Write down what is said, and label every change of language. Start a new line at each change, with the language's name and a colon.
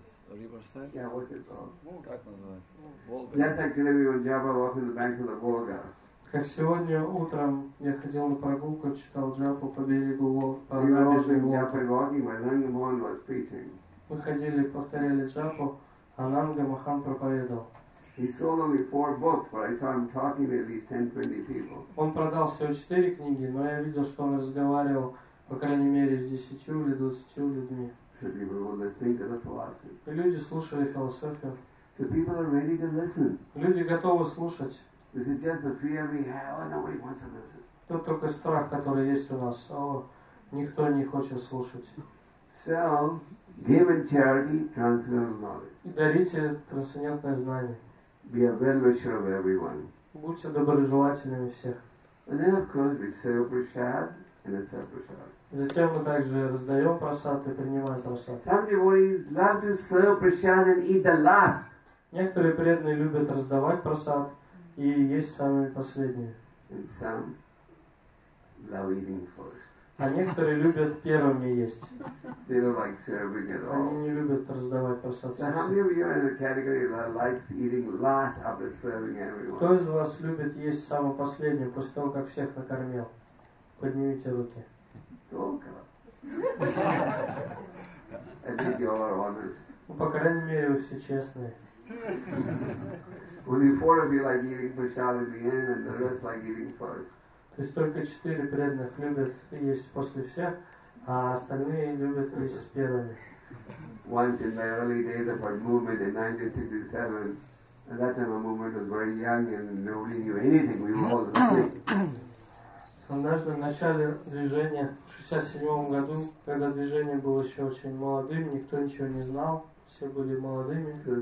English: Riverside? Yeah, what is it called? Volga.
Russian: Как сегодня утром я ходил на прогулку, читал Джапу по берегу Волги. Мы ходили, повторяли Джапу, а Нанга Махан проповедовал.
English: He sold only four books, but I saw him talking to at least 10-20 people.
Russian: Он продал всего 4 книги, но я видел, что он разговаривал по крайней мере с 10 или 20 людьми.
English: So people were listening to the philosophy.
Russian: Люди слушали философию.
English: So people are ready to listen.
Russian: Люди готовы слушать.
English: Is it just the fear we have, and nobody wants to listen?
Russian: Тут только страх, который есть у нас. О, никто не хочет слушать.
English: So, give in charity transcendental knowledge.
Russian: Дарите трансцендентное знание.
English: Be a well-wisher of everyone.
Russian: Будьте доброжелательными всех.
English: And then, of course, we serve prasad and a serve prasad.
Russian: Затем мы также раздаем прасад и принимаем прасад.
English: Some devotees love to serve prasad and eat the last.
Russian: Некоторые преданные любят раздавать прасад и есть самые последние.
English: And some love eating first.
Russian: А некоторые любят первыми есть.
English: They don't like serving at all.
Russian: Они не любят раздавать прасад.
English: So how many of you are in the category that likes eating last after serving everyone?
Russian: Кто из вас любит есть самую последнюю после того, как всех накормил? Поднимите руки. Долго.
English: I think you all are honest.
Russian: Ну, по крайней мере, вы все честные.
English: Only four of you like eating prasad in the end, and the rest like eating first.
Russian: То есть только 4 преданных любят есть после всех, а остальные любят есть первыми.
English: Once in my early days of our movement in 1967, at that time our movement was very young and nobody knew anything, we were all the same.
Russian: Однажды в начале движения, в 67-м году, когда движение было еще очень молодым, никто ничего не знал, все были молодыми.